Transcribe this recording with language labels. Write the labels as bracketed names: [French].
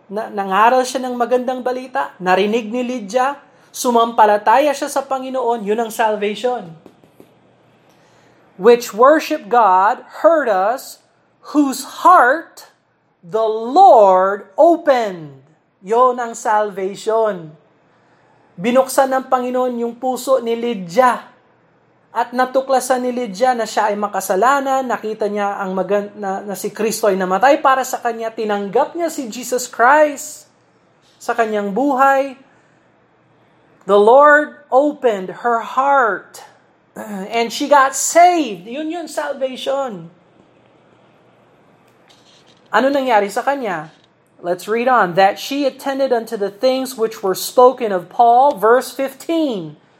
[Filipino] Nangaral siya ng magandang balita. Narinig ni Lydia. Sumampalataya siya sa Panginoon. Yun ang salvation. [English] Which worship God, heard us, whose heart the Lord opened. [Filipino] Yon ang salvation. Binuksan ng Panginoon yung puso ni Lydia. At natuklasan ni Lydia na siya ay makasalanan. Nakita niya ang na si Kristo ay namatay para sa kanya. Tinanggap niya si Jesus Christ. sa kanyang buhay. [English] The Lord opened her heart and she got saved. [Filipino] Yun yun, salvation. Ano nangyari sa kanya? [English] Let's read on. That she attended unto the things which were spoken of Paul, verse 15.